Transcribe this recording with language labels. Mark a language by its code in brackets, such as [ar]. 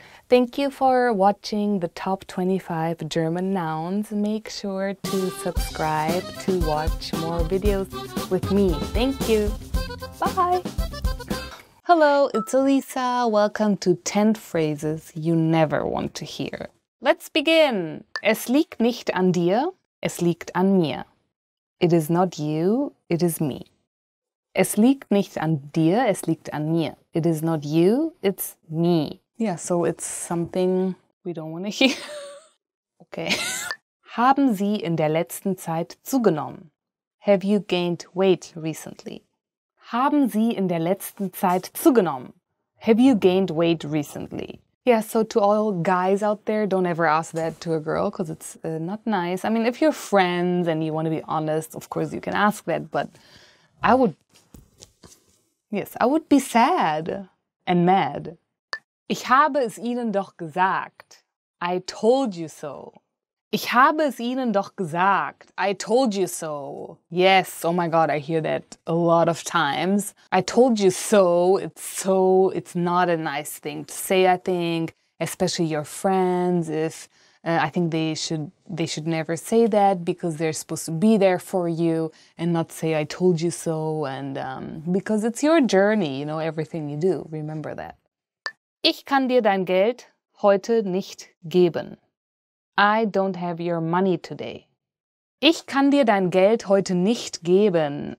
[en] Thank you for watching the top 25 German nouns. Make sure to subscribe to watch more videos with me. Thank you. Bye. Hello, it's Elisa. Welcome to 10 phrases you never want to hear. Let's begin. [de] Es liegt nicht an dir, es liegt an mir. [en] It is not you, it is me. [de] Es liegt nicht an dir, es liegt an mir. [en] It is not you, it's me. Yeah, so it's something we don't want to hear. [de] Okay. Haben Sie in der letzten Zeit zugenommen? [en] Have you gained weight recently? [de] Haben Sie in der letzten Zeit zugenommen? [en] Have you gained weight recently? Yeah, so to all guys out there, don't ever ask that to a girl because it's not nice. I mean, if you're friends and you want to be honest, of course you can ask that, but I would be sad and mad. [de] Ich habe es Ihnen doch gesagt. [en] I told you so. [de] Ich habe es Ihnen doch gesagt. [en] I told you so. Yes, oh my God, I hear that a lot of times. I told you so. It's not a nice thing to say, I think, especially your friends, if I think they should never say that because they're supposed to be there for you and not say I told you so, and because it's your journey, you know, everything you do. Remember that. [de] Ich kann dir dein Geld heute nicht geben. [en] I don't have your money today. [de] Ich kann dir dein Geld heute nicht geben.